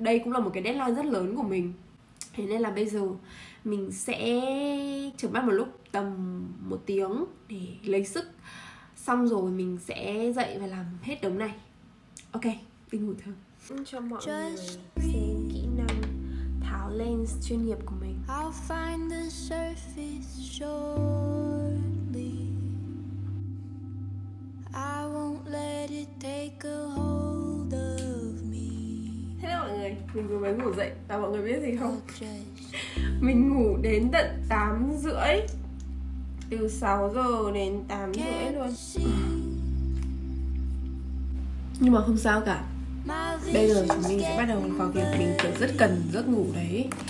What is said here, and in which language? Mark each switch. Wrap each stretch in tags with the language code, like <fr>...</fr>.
<vi>Đây cũng là một cái deadline rất lớn của mình. Thế nên là bây giờ mình sẽ trở mắt một lúc tầm một tiếng để lấy sức. Xong rồi mình sẽ dậy và làm hết đống này. Ok, đi ngủ thôi. Cho mọi người xem kỹ năng tháo lens chuyên nghiệp của mình.</vi> <en>I'll find the surface shortly. I won't let it take a hold of me.</en> <vi>Thế là mọi người, mình vừa mới ngủ dậy và mọi người biết gì không? Mình ngủ đến tận 8 rưỡi. Từ 6 giờ đến 8 rưỡi luôn. Nhưng mà không sao cả. Bây giờ chúng mình sẽ bắt đầu vào việc mình kiểu rất cần giấc ngủ đấy.</vi>